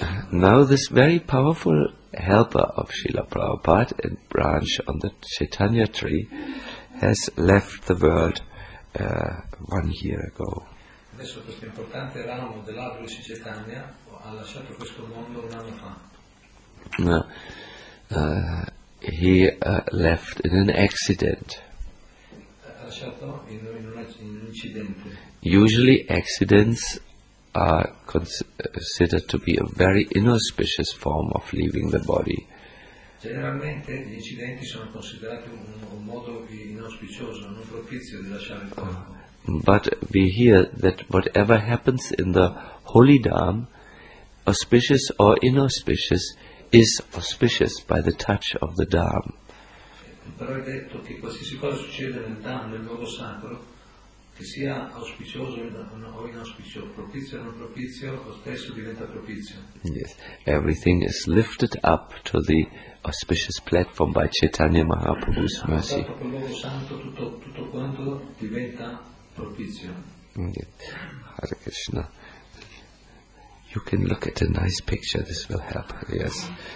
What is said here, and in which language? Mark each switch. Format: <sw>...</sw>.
<en>Now this very powerful helper of Srila Prabhupada and branch on the Chaitanya tree has left the world 1 year ago.</en> <it>Adesso questo importante ramo dell'albero di Chaitanya ha lasciato questo mondo un anno fa.</it> <en>He left in an accident.</en> <it>Ha lasciato in un incidente.</it> <en>Usually accidents are considered to be a very inauspicious form of leaving the body.</en> <it>Generalmente gli incidenti sono considerati un modo inauspicioso, non propizio di lasciare il corpo.</it> <en>But we hear that whatever happens in the holy dham, auspicious or inauspicious, is auspicious by the touch of the dham.</en> <it>Però è detto che qualsiasi cosa succede nel dham, nel luogo sacro, che sia auspicioso o inauspicio, propizio o non propizio, lo stesso diventa propizio.</it> <en>Yes, everything is lifted up to the auspicious platform by Chaitanya Mahaprabhu's mercy.</en> <it>Quel luogo santo, tutto quanto diventa</it> <sa>Hare Krishna.</sa> <en>You can look at a nice picture, this will help. Yes.</en>